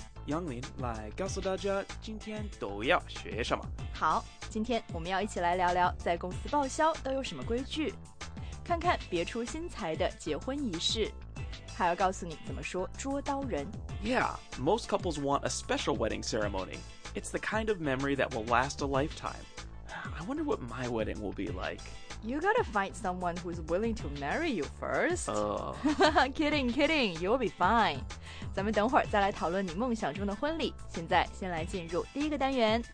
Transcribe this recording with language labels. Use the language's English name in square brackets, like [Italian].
[Chinese] 杨林来告诉大家今天都要学什么。好，今天我们要一起来聊聊在公司报销都有什么规矩，看看别出心裁的结婚仪式，还要告诉你怎么说捉刀人。 [English] Yeah, most couples want a special wedding ceremony. It's the kind of memory that will last a lifetime. I wonder what my wedding will be like. You gotta find someone who's willing to marry you first. Oh. kidding, kidding. You'll be fine. [Chinese] 咱们等会儿再来讨论你梦想中的婚礼。现在先来进入第一个单元。